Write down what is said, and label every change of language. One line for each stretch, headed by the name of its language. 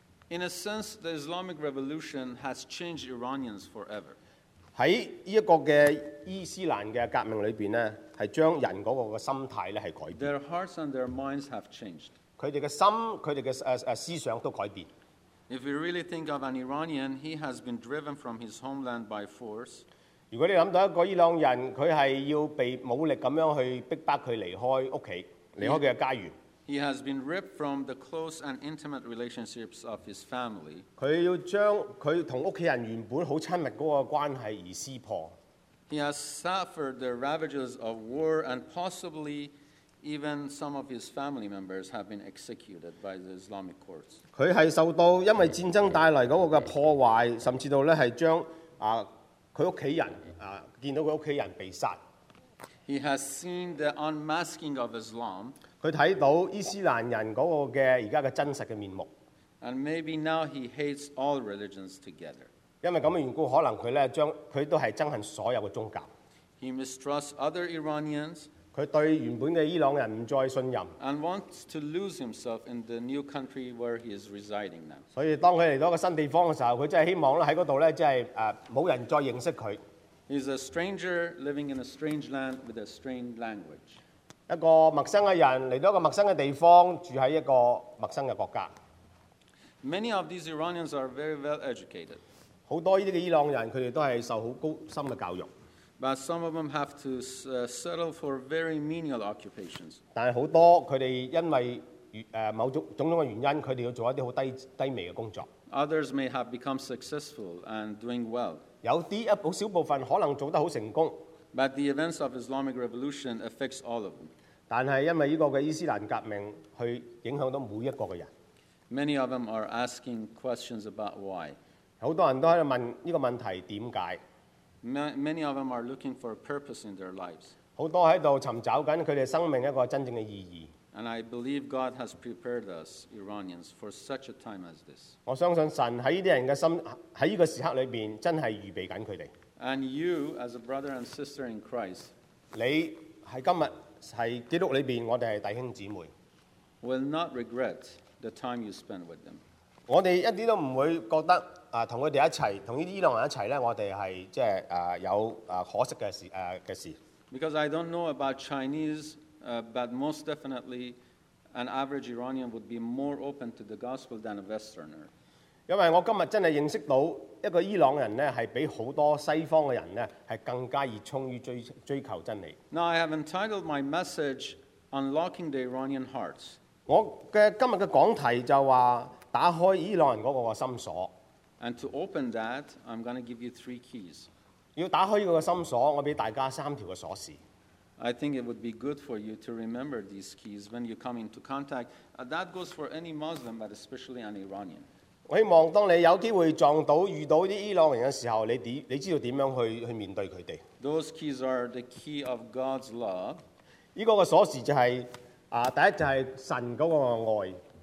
English: In a sense, the Islamic revolution has changed Iranians forever.
Cantonese: 喺依一個嘅伊斯蘭嘅革命裏邊咧，係將人嗰個嘅心態咧係改變。
English: Their hearts and their minds have changed.
Cantonese: 佢哋嘅心，佢哋嘅思想都改變。
English: If you really think of an Iranian, he has been driven from his homeland by force.
Cantonese: 如果你諗到一個伊朗人，佢係要被武力咁樣去逼迫佢離開屋企，離開佢嘅家園。
English: He has been ripped from the close and intimate relationships of his family.
Cantonese: 佢要將佢同屋企人原本好親密嗰個關係而撕破。
English: He has suffered the ravages of war, and possibly even some of his family members have been executed by the Islamic courts.
Cantonese: 佢係受到因為戰爭帶嚟嗰個嘅破壞，甚至到咧係將佢屋企人見到佢屋企人被殺。
English: He has seen the unmasking of Islam.
Cantonese: 佢睇到伊斯蘭人嗰個嘅而家嘅真實嘅面目。
English: And maybe now he hates all religions together.
Cantonese: 因為咁嘅緣故，可能佢咧將佢都係憎恨所有嘅宗教。
English: He mistrusts other Iranians.
Cantonese: 佢對原本嘅伊朗人唔再信任。
English: And wants to lose himself in the new country where he is residing now.
Cantonese: 所以當佢嚟到一個新地方嘅時候，佢真係希望咧喺嗰度咧，即係冇人再認識佢。
English: He's a stranger living in a strange land with a strange language.
Cantonese: 一個陌生嘅人嚟到一個陌生嘅地方，住喺一個陌生嘅國家。
English: Many of these Iranians are very well educated.
Cantonese: 好多呢啲嘅伊朗人，佢哋都係受好高深嘅教育。
English: But some of them have to settle for very menial occupations.
Cantonese: 但係好多佢哋因為某種種嘅原因，佢哋要做一啲好低微嘅工作。
English: Others may have become successful and doing well.
Cantonese: 有啲一好少部分可能做得好成功。
English: But the events of Islamic revolution affects all of them.
Cantonese: 但係因為依個嘅伊斯蘭革命，去影響到每一個嘅人。
English: Many of them are asking questions about why.
Cantonese: 好多人都喺度問依個問題點解。
English: Many of them are looking for a purpose in their lives.
Cantonese: 好多喺度尋找緊佢哋生命一個真正嘅意義。
English: And I believe God has prepared us Iranians for such a time as this.
Cantonese: 我相信神喺呢啲人嘅心喺呢個時刻裏邊，真係預備緊佢哋。
English: And you, as a brother and sister in Christ,
Cantonese: 你喺今日喺基督裏邊，我哋係弟兄姊妹。
English: Will not regret the time you spend with them.
Cantonese: 我哋一啲都唔會覺得同佢哋一齊，同呢啲伊朗人一齊咧，我哋係即係有可惜嘅事嘅事。
English: Because I don't know about Chinese. But most definitely, an average Iranian would be more open to the gospel than a Westerner. Because I today really know that an Iranian person is more than many Western people who are more eager to pursue the truth. Now I have entitled my message "Unlocking the Iranian Hearts." My today's talk is "Unlocking the Iranian Hearts." And to open that, I'm going to give you three keys. To open this heart, I'm going to give you three keys. I think it would be good for you to remember these keys when you come into contact. That goes for any Muslim, but especially an Iranian.
Cantonese: 我希望當你有機會撞到遇到啲伊朗人嘅時候，你知道點樣去面對佢哋。
English: Those keys are the key of God's love.
Cantonese: 依個嘅鎖匙就係第一就係神嗰個愛。